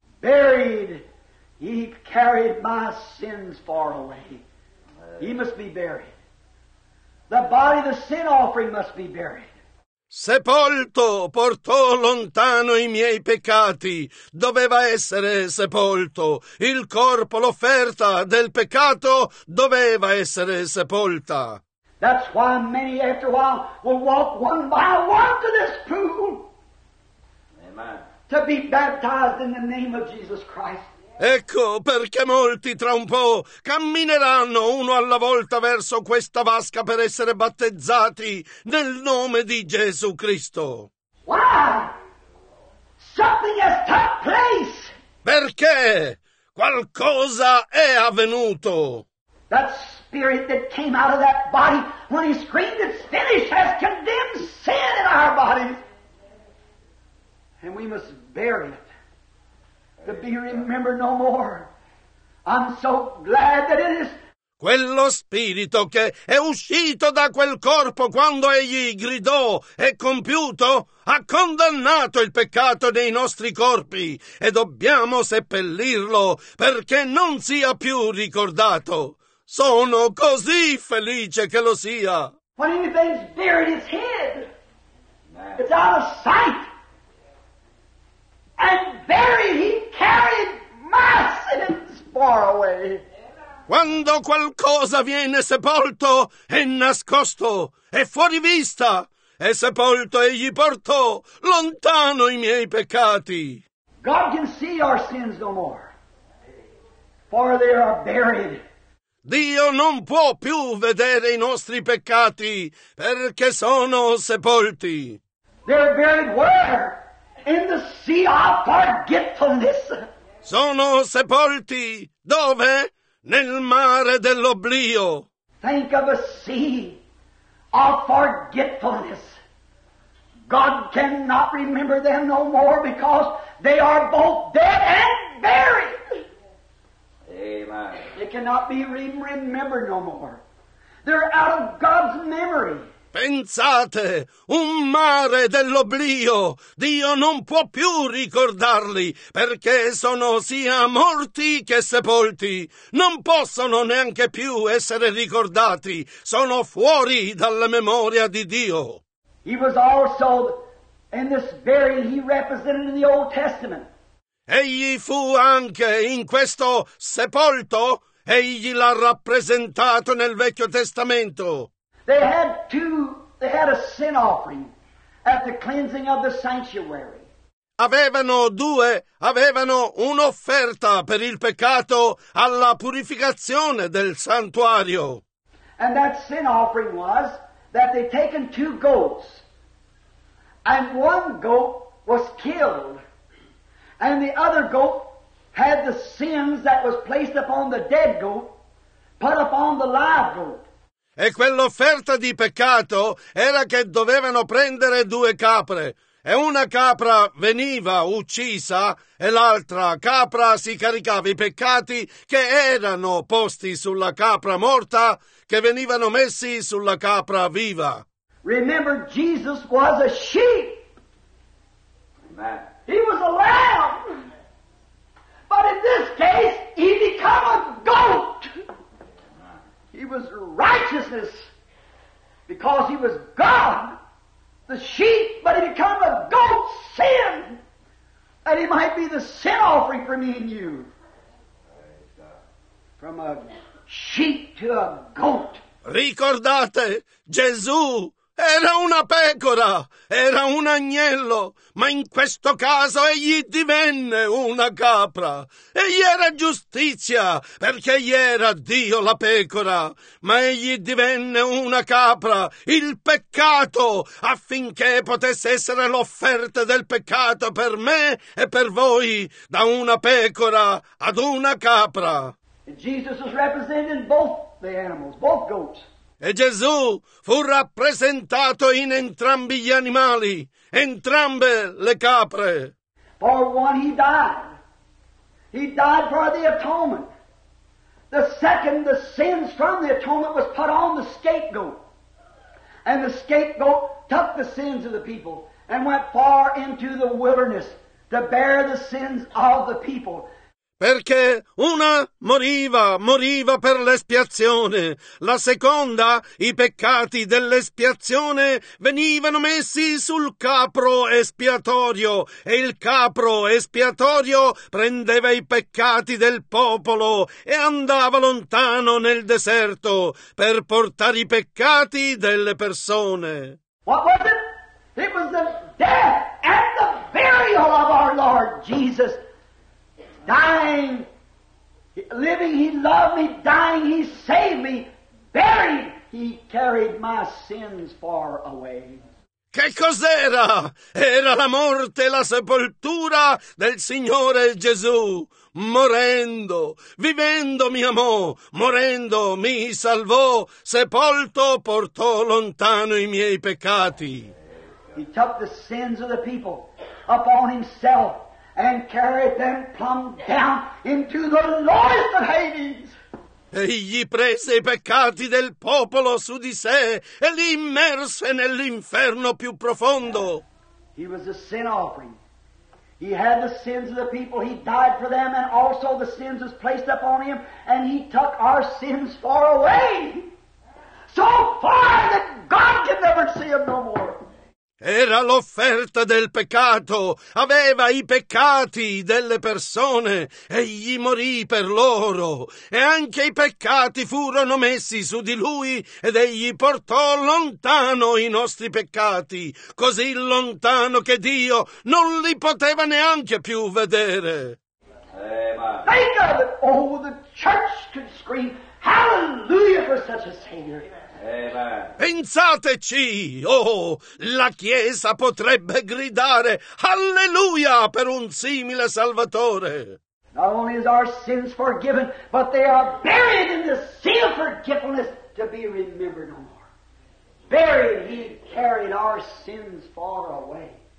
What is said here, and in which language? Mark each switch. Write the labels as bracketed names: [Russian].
[English] Buried, he carried my sins far away. He must be buried. The body, the sin offering must be buried. [Italian] Sepolto portò lontano i miei peccati, doveva essere sepolto. Il corpo, l'offerta del peccato, doveva essere sepolta. [English] That's why many after a while will walk one by one to this pool. Amen. To be baptized in the name of Jesus Christ. [Italian] Ecco perché molti tra un po' cammineranno uno alla volta verso questa vasca per essere battezzati nel nome di Gesù Cristo. [English] Why? Something has took place. [Italian] Perché? Qualcosa è avvenuto. [English] That spirit that came out of that body when he screamed it's finished has condemned sin in our bodies. And we must bury it. To be remembered no more. I'm so glad that it is. [Italian] Quello spirito che è uscito da quel corpo quando egli gridò è compiuto, ha condannato il peccato nei nostri corpi e dobbiamo seppellirlo perché non sia più ricordato. Sono così felice che lo sia. [English] When anything's buried, it's hid. It's out of sight. And buried, he carried my sins far away. [Italian] Quando qualcosa viene sepolto, è nascosto, è fuori vista. È sepolto e gli portò lontano i miei peccati. [English] God can see our sins no more, for they are buried. [Italian] Dio non può più vedere i nostri peccati, perché sono sepolti. [English] They're buried where? In the sea of forgetfulness. [Italian] Sono sepolti dove? Nel mare dell'oblio. [English] Think of a sea of forgetfulness. God cannot remember them no more because they are both dead and buried. Amen. They cannot be remembered no more. They're out of God's memory. [Italian] Pensate, un mare dell'oblio, Dio non può più ricordarli, perché sono sia morti che sepolti. Non possono neanche più essere ricordati, sono fuori dalla memoria di Dio. [English] He was also in this burial he represented in the Old Testament. [Italian] Egli fu anche in questo sepolto, egli l'ha rappresentato nel Vecchio Testamento. [English] They had a sin offering at the cleansing of the sanctuary. [Italian] Avevano un'offerta per il peccato alla purificazione del santuario. [English] And that sin offering was that they taken two goats, and one goat was killed, and the other goat had the sins that was placed upon the dead goat put upon the live goat. [Italian] E quell'offerta di peccato era che dovevano prendere due capre, e una capra veniva uccisa, e l'altra capra si caricava i peccati che erano posti sulla capra morta, che venivano messi sulla capra viva. [English] Remember, Jesus was a sheep. Amen. He was a lamb. But in this case, he became a goat. He was righteousness, because he was God, the sheep, but he became a goat, sin, that he might be the sin offering for me and you. From a sheep to a goat. [Italian] Ricordate, Gesù era una pecora, era un agnello, ma in questo caso egli divenne una capra. Egli era giustizia, perché egli era Dio la pecora, ma egli divenne una capra, il peccato, affinché potesse essere l'offerta del peccato per me e per voi, da una pecora ad una capra. [English] Jesus was representing both the animals, both goats. [Italian] E Gesù fu rappresentato in entrambi gli animali, entrambe le capre. [English] For one he died. He died for the atonement. The second, the sins from the atonement was put on the scapegoat. And the scapegoat took the sins of the people and went far into the wilderness to bear the sins of the people. [Italian] Perché una moriva per l'espiazione, la seconda, i peccati dell'espiazione venivano messi sul capro espiatorio, e il capro espiatorio prendeva i peccati del popolo e andava lontano nel deserto per portare i peccati delle persone. [English] What was it? It was the death and the burial of our Lord Jesus. Dying, living, he loved me, dying, he saved me, buried, he carried my sins far away. [Italian] Che cos'era? Era la morte e la sepoltura del Signore Gesù. Morendo, vivendo mi amò, morendo mi salvò, sepolto portò lontano i miei peccati. [English] He took the sins of the people upon himself. And carried them plumb down into the lowest of Hades. [Italian] Egli prese i peccati del popolo su di sé e li immerse nell'inferno più profondo. [English] He was a sin offering. He had the sins of the people. He died for them, and also the sins was placed upon him, and he took our sins far away, so far that God could never see him no more. [Italian] Era l'offerta del peccato, aveva i peccati delle persone, egli morì per loro, e anche i peccati furono messi su di lui, ed egli portò lontano i nostri peccati, così lontano che Dio non li poteva neanche più vedere. [English] Think of it! Oh, the church could scream, hallelujah for such a savior! [Italian] Pensateci, oh, la Chiesa potrebbe gridare alleluia per un simile Salvatore. [English] Not only is our sins forgiven, but they are buried in the sea of forgiveness to be remembered no more. Buried, he carried our sins far away.